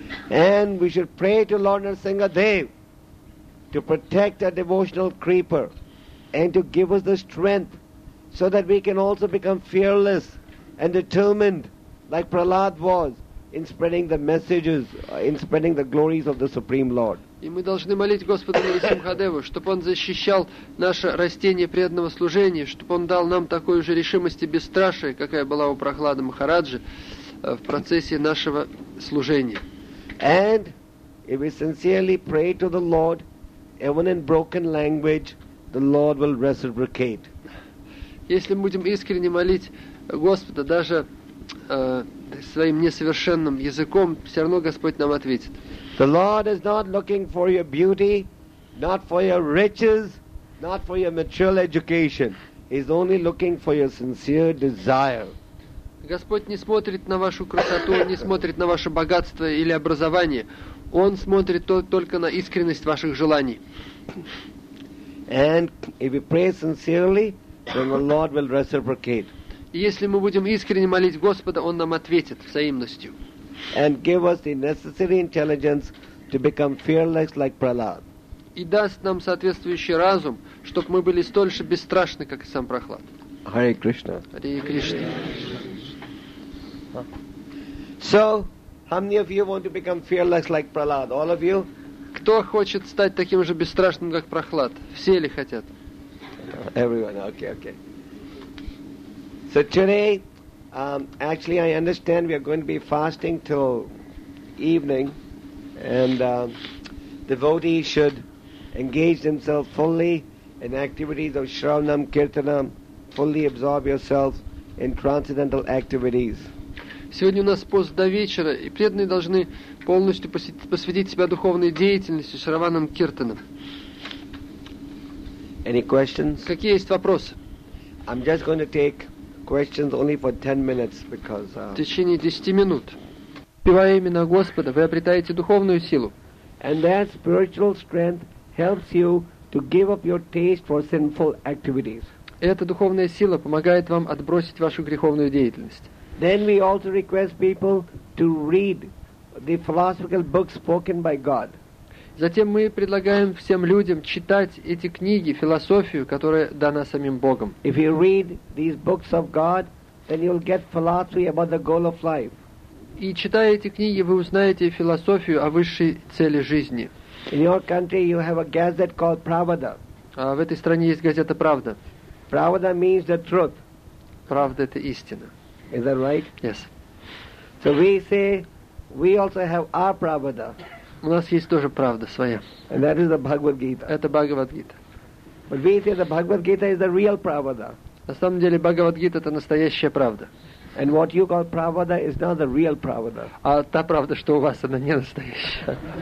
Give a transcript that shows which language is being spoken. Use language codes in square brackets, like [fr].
[en] And we should pray to Lord Narasimhadev to protect our devotional creeper and to give us the strength so that we can also become fearless and determined like Prahlad was in spreading the messages, in spreading the glories of the Supreme Lord. [ru] И мы должны молить Господа Нарасимхадеву, чтобы Он защищал наше растение преданного служения, чтобы Он дал нам такую же решимость и бесстрашие, какая была у Прохлады Махараджи в процессе нашего служения. [en] And if we sincerely pray to the Lord, even in broken language, the Lord will reciprocate. [ru] Если мы будем искренне молить Господа, даже своим несовершенным языком, все равно Господь нам ответит. [en] The Lord is not looking for your beauty, not for your riches, not for your material education. He's only looking for your sincere desire. [ru] Господь не смотрит на вашу красоту, не смотрит на ваше богатство или образование. Он смотрит только на искренность ваших желаний. [en] And if we pray sincerely, then the Lord will reciprocate. [ru] Если мы будем искренне молить Господа, Он нам ответит взаимностью. [en] And give us the necessary intelligence to become fearless like Prahlad. [ru] И даст нам соответствующий разум, чтобы мы были столь же бесстрашны, как и сам Прохлад. [en] Hare Krishna. Hare Krishna. So, how many of you want to become fearless like Prahlad? All of you? [ru] Кто хочет стать таким же бесстрашным, как Прохлад? Все ли хотят? [en] Everyone. Okay, okay. So today, actually, I understand we are going to be fasting till evening, and devotees should engage themselves fully in activities of shravanam, kirtanam. Fully absorb yourself in transcendental activities. [ru] Сегодня у нас пост до вечера, и преданные должны полностью посвятить себя духовной деятельности шраванам, киртанам. [en] Any questions? [ru] Какие есть вопросы? [en] I'm just going to take questions only for 10 minutes because [ru] в течение 10 минут. Певая имя Господа, вы обретаете духовную силу. [en] And that spiritual strength helps you to give up your taste for sinful activities. [ru] Эта духовная сила помогает вам отбросить вашу греховную деятельность. [en] Then we also request people to read the philosophical books spoken by God. [ru] Затем мы предлагаем всем людям читать эти книги, философию, которая дана самим Богом. [en] If you read these books of God, then you'll get philosophy about the goal of life. [ru] И читая эти книги, вы узнаете философию о высшей цели жизни. [en] In your country you have a gazette called Pravda. [ru] А в этой стране есть газета Правда. [en] Pravda means the truth. [ru] Правда — это истина. [en] Is that right? Yes. So we say we also have our Pravda. [ru] У нас есть тоже правда своя. [en] And that is the Bhagavad Gita. [ru] Это Бхагавад-гита. [en] But we say the Bhagavad Gita is the real Pravada. [ru] На самом деле Бхагавад-гита — это настоящая правда. [en] And what you call Pravada is not the real Pravada. [ru] А та правда, что у вас, она не настоящая.